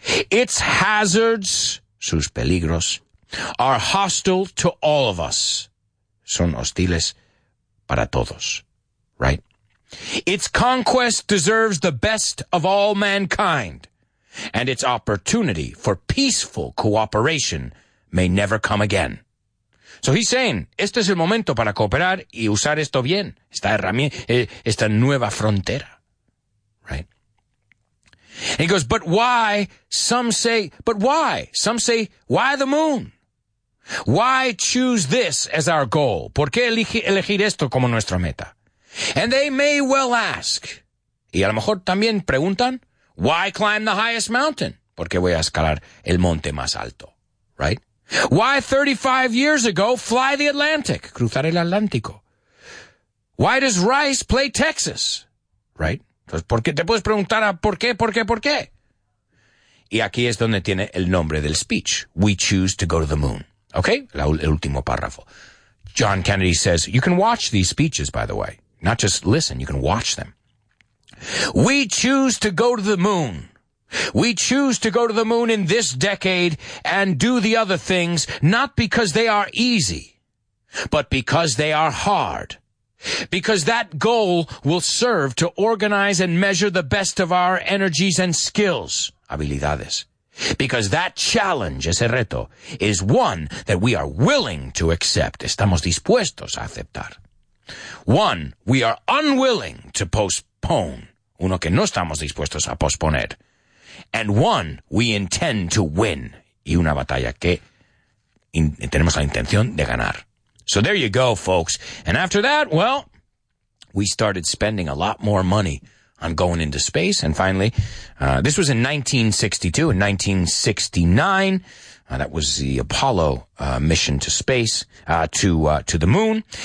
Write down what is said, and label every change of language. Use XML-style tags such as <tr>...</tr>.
<en>Its hazards,</en> <es>sus peligros,</es> <en>are hostile to all of us.</en> <es>Son hostiles para todos, right?</es> <en>Its conquest deserves the best of all mankind, and its opportunity for peaceful cooperation may never come again. So he's saying,</en> <es>este es el momento para cooperar y usar esto bien, esta herramienta, esta nueva frontera.</es> <en>And he goes, but why, some say, but why? Some say, why the moon? Why choose this as our goal?</en> <es>¿Por qué elegir esto como nuestra meta?</es> <en>And they may well ask,</en> <es>y a lo mejor también preguntan,</es> <en>why climb the highest mountain?</en> <es>¿Por qué voy a escalar el monte más alto?</es> <en>Right? Why 35 years ago fly the Atlantic?</en> <es>Cruzar el Atlántico.</es> <en>Why does Rice play Texas? Right?</en> <es>Entonces, ¿por qué? Te puedes preguntar a por qué, por qué, por qué. Y aquí es donde tiene el nombre del speech.</es> <en>We choose to go to the moon. ¿Ok?</en> <es>El último párrafo.</es> <en>John Kennedy says, you can watch these speeches, by the way. Not just listen, you can watch them. We choose to go to the moon. We choose to go to the moon in this decade and do the other things, not because they are easy, but because they are hard. Because that goal will serve to organize and measure the best of our energies and skills, habilidades. Because that challenge,</en> <es>ese reto,</es> <en>is one that we are willing to accept.</en> <es>Estamos dispuestos a aceptar.</es> <en>One, we are unwilling to postpone.</en> <es>Uno que no estamos dispuestos a posponer.</es> <en>And one, we intend to win.</en> <es>Y una batalla que tenemos la intención de ganar.</es> <en>So there you go, folks. And after that, well, we started spending a lot more money on going into space. And finally, this was in 1962. In 1969, that was the Apollo mission to space, to the moon.</en>